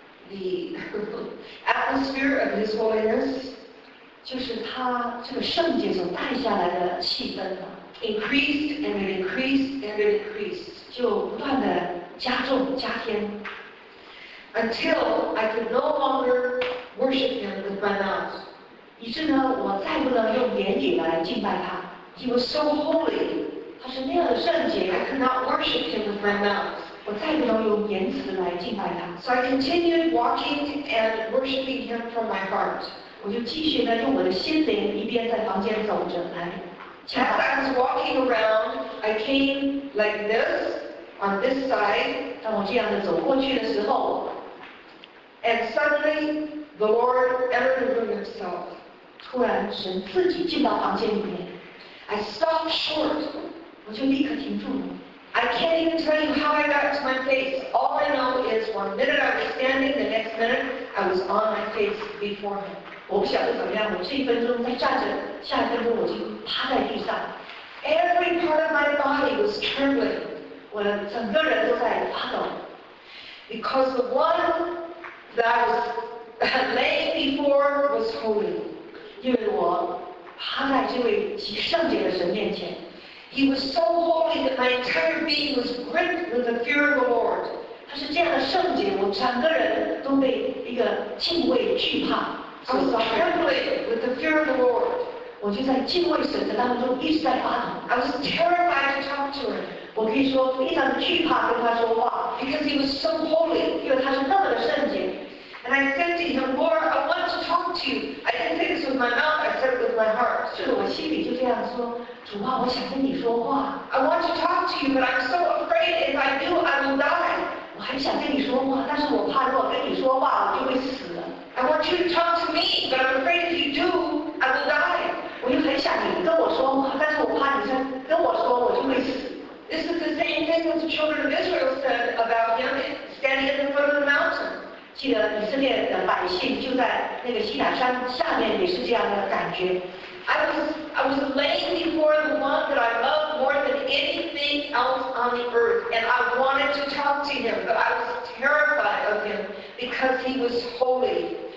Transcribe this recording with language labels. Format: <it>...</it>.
<en>The atmosphere of His holiness,</en> <zh>就是他这个圣洁所带下来的气氛呢</zh> <en>increased and it increased and it increased,</en> <zh>就不断的加重加添</zh> <en>until I could no longer worship Him with my mouth,</en> <zh>以致呢我再不能用言语来敬拜他</zh> <en>He was so holy,</en> <zh>他是那样的圣洁</zh> <en>I could not worship Him with my mouth.</en> <zh>我再不能用言辞来敬拜他。</zh> <en>So I continued walking and worshiping Him from my heart.</en> <zh>我就继续呢用我的心灵一边在房间走着来。</zh> <en>As I was walking around, I came like this on this side.</en> <zh>当我这样的走过去的时候</zh> <en>，And suddenly the Lord entered the room Himself.</en> <zh>突然神自己进到房间里面。</zh> <en>I stopped short.</en> <zh>我就立刻停住了。</zh> <en>I can't even tell you how I got to my face. All I know is one minute I was standing, the next minute I was on my face before him.</en> <zh>我不晓得怎么样，我这一分钟在站着，下一分钟我就趴在地上。</zh> <en>Every part of my body was trembling.</en> <zh>我整个人都在发抖。</zh> <en>Because the one that was laying before was holy.</en> <zh>因为我趴在这位极圣洁的神面前。</zh> <en>He was so holy that my entire being was gripped with the fear of the Lord.</en> <zh>他是这样的圣洁，我整个人都被一个敬畏惧怕。</zh> <en>I was trembling with the fear of the Lord.</en> <zh>我就在敬畏神的当中一直在发抖。</zh> <en>I was terrified to talk to him.</en> <zh>我可以说非常惧怕跟他说话。</zh> <en>Because he was so holy.</en> <zh>因为他是那么的圣洁。</zh> <en>And I said to him, Lord, I want to talk to you. I didn't say this with my mouth, I said it with my heart.</en> <zh>是我心里就这样说，主啊，我想跟你说话。</zh> <en>I want to talk to you, but I'm so afraid if I do, I will die.</en> <zh>我还想跟你说话，但是我怕如果跟你说话，我就会死了。</zh> <en>I want you to talk to me, but I'm afraid if you do, I will die.</en> <zh>我又很想你跟我说话，但是我怕你再跟我说，我就会死。</zh> <en>This is the same thing that the children of Israel said about him standing at the foot of the mountain.</en> <zh>记得以色列的百姓就在那个西乃山下面也是这样的感觉。</zh> <en>I was laying before the one that I loved more than anything else on the earth, and I wanted to talk to him, but I was terrified of him because he was holy.</en>